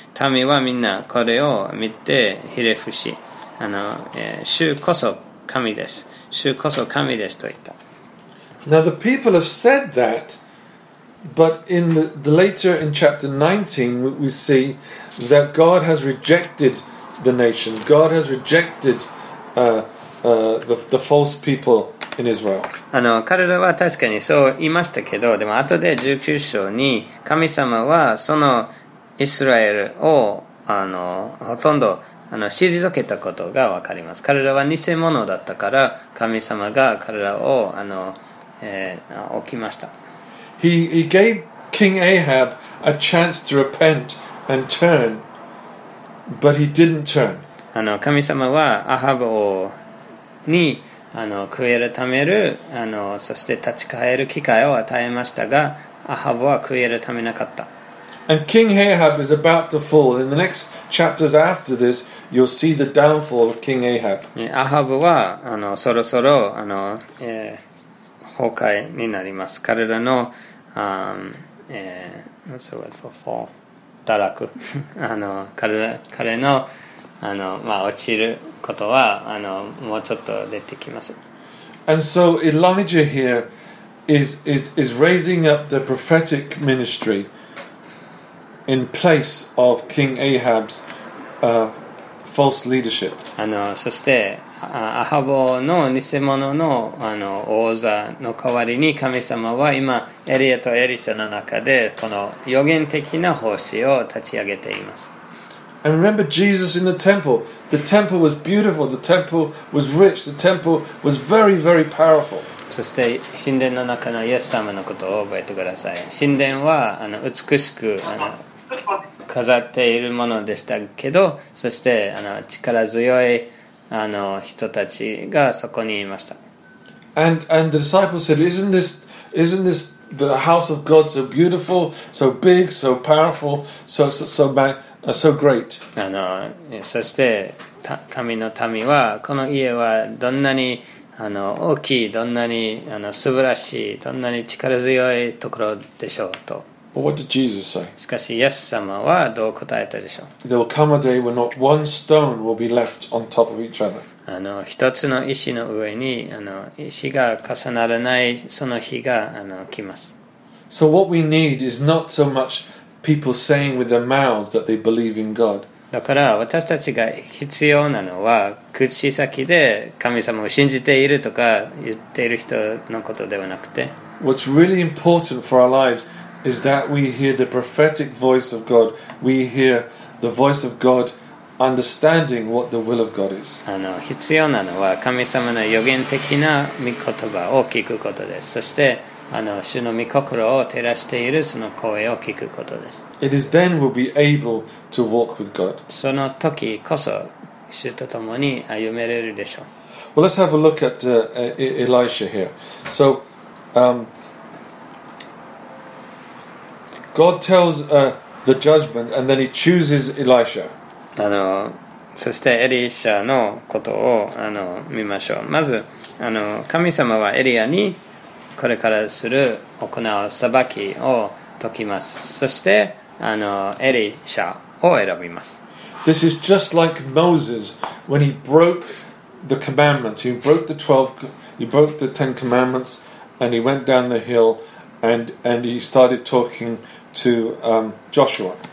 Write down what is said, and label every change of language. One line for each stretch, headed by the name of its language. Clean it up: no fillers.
Japanese: 民はみんなこれを見てひれ伏し、あの、主こそ神です。主こそ神ですと言った。
English: Now the people have said that, but in the later in chapter 19 we see that God has rejected the nation. God has rejected the false people in Israel.
Japanese: あの、彼らは確かにそう言いましたけど、でも後で19章に神様はそのイスラエルをあのほとんどあの退けたことが分かります。彼らは偽物だったから神様が彼らをあの、置きました。
English: he gave King Ahab a chance to repent and turn, but he didn't turn.
Japanese: あの神様はアハブ王にあの悔い改める、あのそして立ち返る機会を与えましたが、アハブは悔い改めなかった。
English: And King Ahab is about to fall. In the next chapters after this, you'll see the downfall of King Ahab.
Japanese: アハブはあのそろそろあの、崩壊になります。彼らの、
English: what's the word for fall?
Japanese: 堕落。あの彼の、あの、まあ、落ちることはあのもうちょっと出てきます。
English: And so Elijah here is raising up the prophetic ministry. In place of King Ahab's false leadership.
Japanese: あのそしてアハボの偽物のあの王座の代わりに神様は今エリアとエリサの中でこの預言的な奉仕を立ち上げています。
English: And remember Jesus in the temple. The temple was beautiful. The temple was rich. The temple was very, very powerful.
Japanese: そして神殿の中のイエス様のことを覚えてください。神殿はあの美しくあの飾っているものでしたけど、そしてあの力強いあの人たちがそこにいました。
English: And the disciples said, isn't this the house of God so beautiful, so big, so powerful, so great?
Japanese: あのそして神の民はこの家はどんなにあの大きい、どんなにあの素晴らしい、どんなに力強いところでしょうと。
English: But what did Jesus say?
Japanese: しかし、イエス様はどう答えたでしょう。
English: There will come a day when not one stone will be left on top of each other.
Japanese: あの一つの石の上にあの石が重ならないその日があの来ます。
English: So what we need is not so much people saying with their mouths that they believe in God.
Japanese: だから私たちが必要なのは口先で神様を信じているとか言っている人のことではなくて、
English: What's really important for our lives is that we hear the prophetic voice of God. We hear the voice of God understanding what the will of God is.
Japanese: あの必要なのは神様の預言的な御言葉を聞くことです。そしてあの主の御心を照らしているその声を聞くことです。
English: It is then we'll be able to walk with God.
Japanese: その時こそ主と共に歩めれるでしょう。
English: Well, let's have a look at Elisha here. So God tells the judgment and then he chooses Elisha.
Japanese: あのそしてエリシャのことをあの見ましょう。まずあの神様はエリアにこれからする行う裁きを解きます。そしてあのエリシャを選びます。
English: This is just like Moses when he broke the commandments. He broke the Ten Commandments and he went down the hill and he started talking to Joshua.